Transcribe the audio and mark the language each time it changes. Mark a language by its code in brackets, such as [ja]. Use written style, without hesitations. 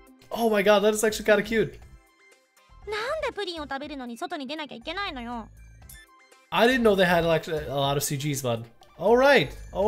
[en] Oh my god, that is actually kind of cute. [ja] なんでプリンを食べるのに外に出なきゃいけないのよ? [en] I didn't know they had like a lot of CGs, but all right.